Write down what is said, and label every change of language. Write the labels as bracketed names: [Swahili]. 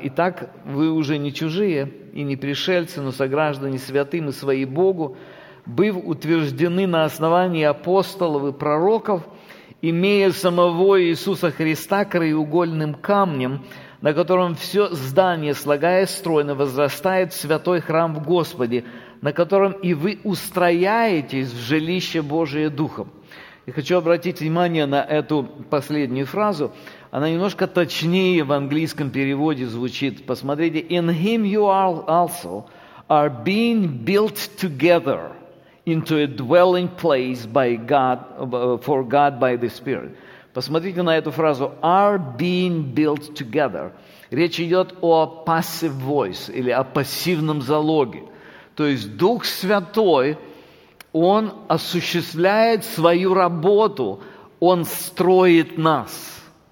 [Russian] «Итак, вы уже не чужие и не пришельцы, но сограждане святым и свои Богу, быв утверждены на основании апостолов и пророков, имея самого Иисуса Христа краеугольным камнем, на котором все здание, слагаясь стройно, возрастает в святой храм в Господе, на котором и вы устрояетесь в жилище Божие Духом». И хочу обратить внимание на эту последнюю фразу. Она немножко точнее в английском переводе звучит. Посмотрите. [English] «In him you also are being built together into a dwelling place by God, for God by the Spirit». [Russian] Посмотрите на эту фразу. [English] «Are being built together». [Russian] Речь идет о passive voice или о пассивном залоге. То есть Дух Святой, Он осуществляет свою работу, Он строит нас.